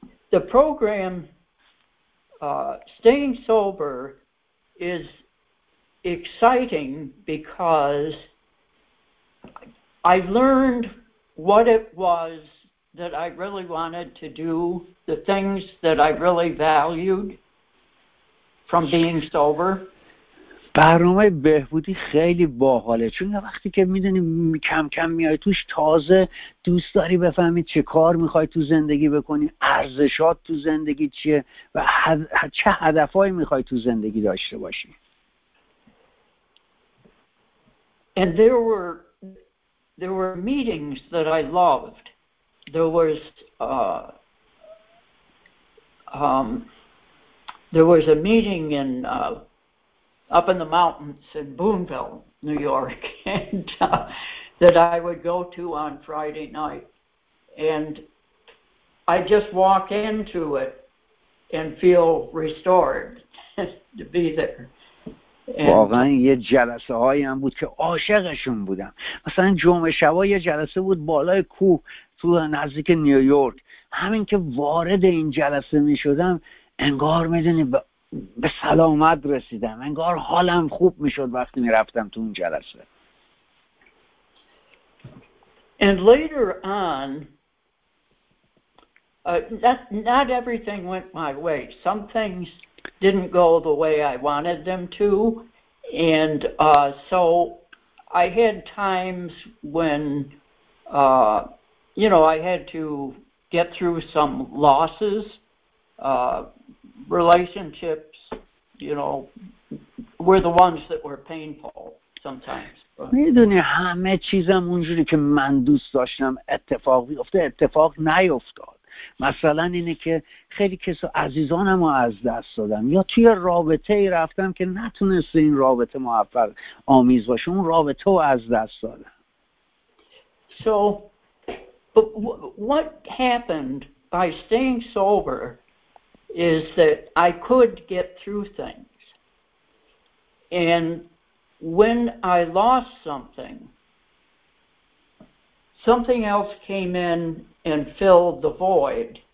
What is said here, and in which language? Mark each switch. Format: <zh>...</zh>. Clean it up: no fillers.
<en>The program, staying sober, is exciting because I learned what it was that I really wanted to do, the things that I really valued from being sober.</en> <fa>برنامه بهبودی خیلی باحاله، چون وقتی که میدونی کم کم میای توش تازه دوست داری بفهمی چه کار میخوای تو زندگی بکنی، ارزشات تو زندگی چیه و چه هدفهایی میخوای تو زندگی داشته باشی.</fa> <en>And there were meetings that I loved. There was a meeting in up in the mountains in Boonville, New York, and that I would go to on Friday night. And I just walk into it and feel restored to be there.</en> <fa>واقعا یه جلسه هایی هم بود که عاشقشون بودم. مثلا جمعه شبا یه جلسه بود بالای کوه تو نزدیک نیویورک، همین که وارد این جلسه می شدم انگار می دونی به سلامت رسیدم، انگار حالم خوب می شد وقتی می رفتم تو اون جلسه.</fa> <en>And later on not everything went my way. Some things didn't go the way I wanted them to. And so I had times when, you know, I had to get through some losses, relationships, you know, were the ones that were painful sometimes.</en> <fa>میدونی همه چیزم اونجوری که من دوست داشتم اتفاق بیفته اتفاق نیفتاد. مثلا اینه که خیلی کسا عزیزانم رو از دست دادم، یا توی رابطه ای رفتم که نتونست این رابطه موفق آمیز باشه، اون رابطه رو از دست دادم.</fa> <en>So but what happened by staying sober is that I could get through things. And when I lost something else came in and filled the void.</en>